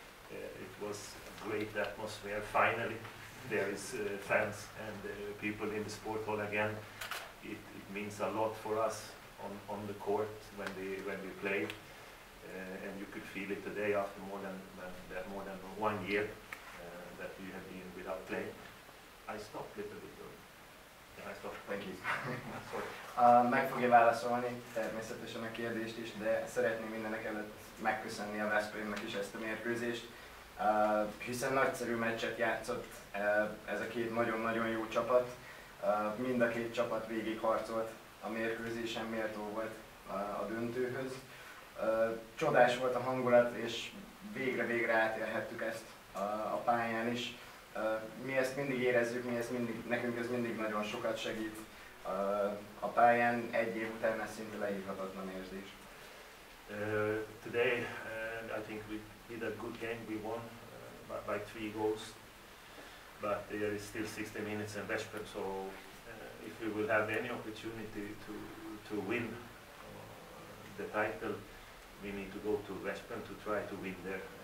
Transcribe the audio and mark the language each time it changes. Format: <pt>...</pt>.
<en>It was a great atmosphere. Finally, there is fans and people in the sport hall again. It means a lot for us on the court when we play. And you could feel it today after more than 1 year that we have been without playing. I stopped a little bit. Thank you.</en> <hu>Meg fogja válaszolni természetesen a kérdést is, de szeretném mindenek előtt megköszönni a Veszprémnek is ezt a mérkőzést, hiszen nagyszerű meccset játszott ez a két nagyon-nagyon jó csapat. Mind a két csapat végig harcolt a mérkőzésen, méltó volt a döntőhöz. Csodás volt a hangulat, és végre-végre átélhettük ezt a pályán is. Mi ezt mindig érezzük, nekünk ez mindig nagyon sokat segít a pályán, egy év után ez szinte leírhatatlan érzés.</hu> <en>Today, I think we did a good game, we won by 3 goals, but there is still 60 minutes in Veszprém, so if we will have any opportunity to win the title, we need to go to Veszprém to try to win there.</en>